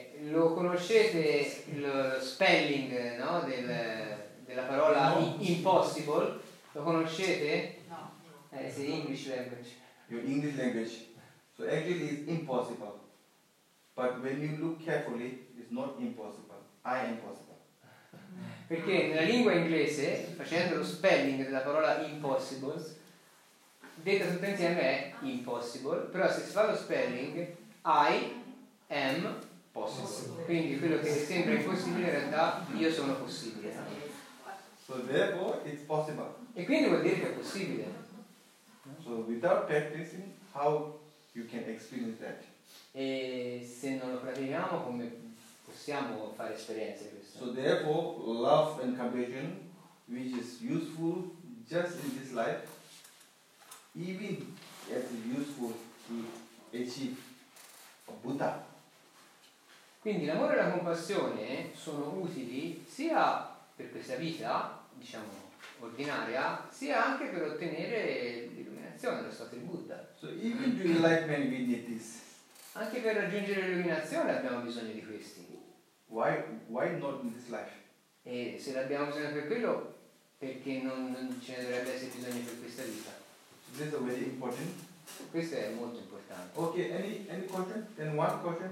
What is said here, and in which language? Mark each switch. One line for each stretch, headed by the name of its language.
Italian: Lo conoscete lo spelling, no, del, della parola no. Impossible? Lo conoscete? No.
English: It's the English language. Your English language. So actually it's impossible. But when you look carefully, it's not impossible. I am impossible.
Italian: Perché nella lingua inglese, facendo lo spelling della parola impossible, detta tutta insieme è impossible, però se si fa lo spelling,
English: I am possible.
Italian: Quindi quello che sembra impossibile in realtà io sono possibile.
English: So therefore it's possible.
Italian: E quindi vuol dire che è possibile.
English: So without practicing, how you can experience that?
Italian: E se non lo praticiamo, come possiamo fare esperienze di questo?
English: So therefore love and compassion, which is useful just in this life, even as useful to achieve a Buddha.
Italian: Quindi l'amore e la compassione sono utili sia per questa vita, diciamo, ordinaria, sia anche per ottenere l'illuminazione, lo stato di Buddha.
English: So even the enlightenment we need this.
Italian: Anche per raggiungere l'illuminazione abbiamo bisogno di questi.
English: Why not in this life?
Italian: E se l'abbiamo bisogno per quello, perché non ce ne dovrebbe essere bisogno per questa vita?
English: This is very important.
Italian: Questo è molto importante.
English: Ok, any question? Then one question.